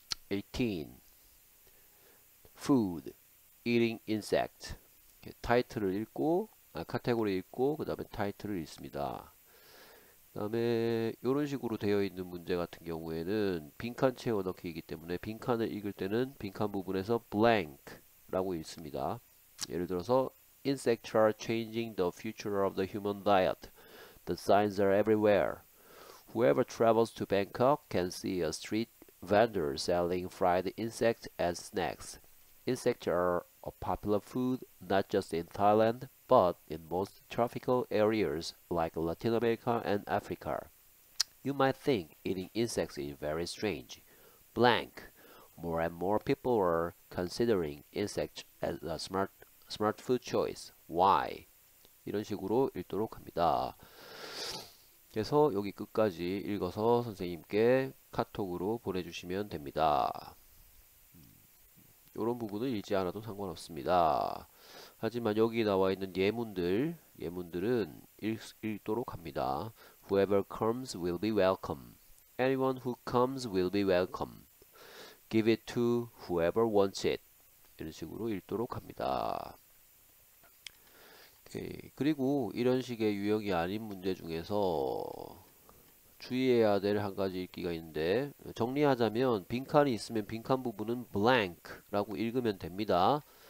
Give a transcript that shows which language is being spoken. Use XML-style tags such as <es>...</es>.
<en>18, food, eating insect.</en> <ko>타이틀을 읽고, 카테고리 읽고, 그 다음에 타이틀을 읽습니다. 그 다음에 이런 식으로 되어 있는 문제 같은 경우에는 빈칸 채워넣기이기 때문에 빈칸을 읽을 때는 빈칸 부분에서 blank라고 읽습니다. 예를 들어서</ko> <en>Insects are changing the future of the human diet. The signs are everywhere. Whoever travels to Bangkok can see a street vendor selling fried insects as snacks. Insects are a popular food not just in Thailand, but in most tropical areas like Latin America and Africa. You might think eating insects is very strange. Blank. More and more people are considering insects as a smart food choice. Why?</en> <ko>이런 식으로 읽도록 합니다. 그래서 여기 끝까지 읽어서 선생님께 카톡으로 보내주시면 됩니다. 이런 부분은 읽지 않아도 상관없습니다. 하지만 여기 나와 있는 예문들은 읽도록 합니다.</ko> <en>Whoever comes will be welcome. Anyone who comes will be welcome. Give it to whoever wants it.</en> <ko>이런 식으로 읽도록 합니다. 오케이. 그리고 이런 식의 유형이 아닌 문제 중에서 주의해야 될한 가지 읽기가 있는데, 정리하자면 빈칸이 있으면 빈칸 부분은 blank라고 읽으면 됩니다.</ko>